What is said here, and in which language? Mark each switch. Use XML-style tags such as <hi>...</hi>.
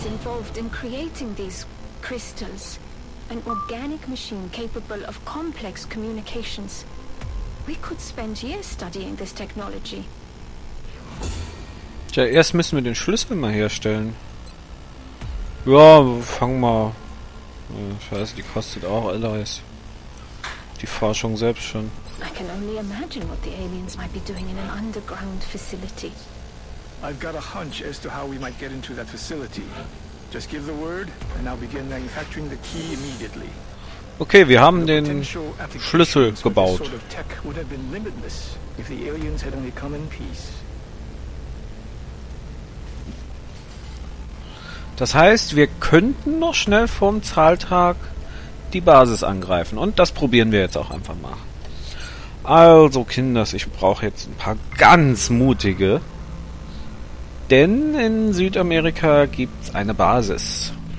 <en>Involved in creating these crystals, an organic machine capable of complex communications. We could spend years studying this technology.</en> <de>Tja, erst müssen wir den Schlüssel mal herstellen. Ja, fangen mal. Scheiße, die kostet auch alles. Die Forschung selbst schon.</de> <en>I can only imagine what the aliens might be doing in an underground facility. I've got a hunch as to how we might get into that facility. Just give the word and I'll begin manufacturing the key immediately.</en> <de>Okay, wir haben den Schlüssel gebaut.</de> <en>The sort of tech would have been limitless if the aliens had only come in peace.</en> <de>Das heißt, wir könnten noch schnell vorm Zahltag die Basis angreifen. Und das probieren wir jetzt auch einfach mal. Also, Kinders, ich brauche jetzt ein paar ganz Mutige. Denn in Südamerika gibt's eine Basis.</de>